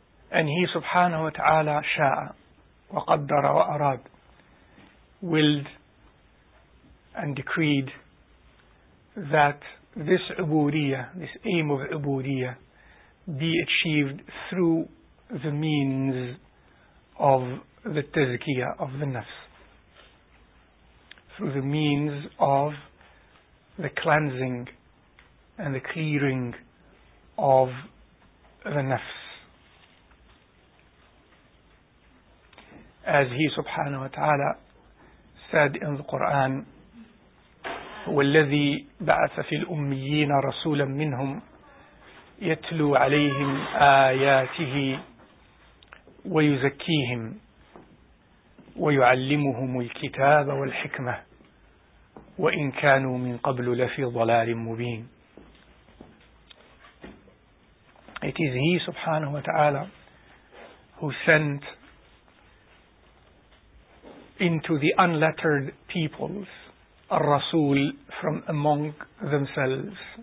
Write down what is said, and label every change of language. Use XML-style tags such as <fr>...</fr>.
<en>And he subhanahu wa ta'ala</en> <ar>sha'a wa qaddara wa arad,</ar> <en>willed and decreed that this ubudiyyah, this aim of ubudiyyah, be achieved through the means of the tazkiyah of the nafs, through the means of the cleansing and the clearing of the nafs. As he subhanahu wa ta'ala said in the Quran,</en> <ar>وَالَّذِي بَعَثَ فِي الْأُمِّيِّينَ رَسُولًا مِّنْهُمْ يتلو عليهم آياته ويزكيهم ويعلمهم الكتاب والحكمة وإن كانوا من قبل لفي ضلال مبين.</ar> <en>It is he subhanahu wa ta'ala who sent into the unlettered peoples a rasul from among themselves</en>